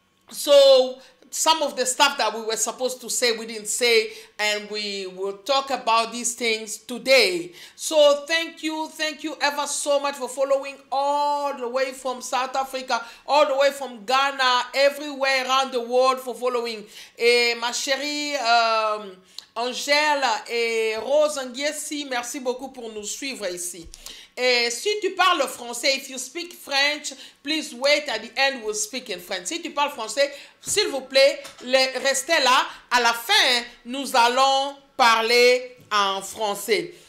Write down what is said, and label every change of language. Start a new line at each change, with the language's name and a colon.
English: So some of the stuff that we were supposed to say, we didn't say, and we will talk about these things today. So thank you ever so much for following all the way from South Africa, all the way from Ghana, everywhere around the world for following.
French: Et ma chérie, Angèle et Rose Anguiesi, merci beaucoup pour nous suivre ici. Et si tu parles français,
English: if you speak French, please wait at the end, we'll speak in French.
French: Si tu parles français, s'il vous plaît, restez là. À la fin, nous allons parler en français.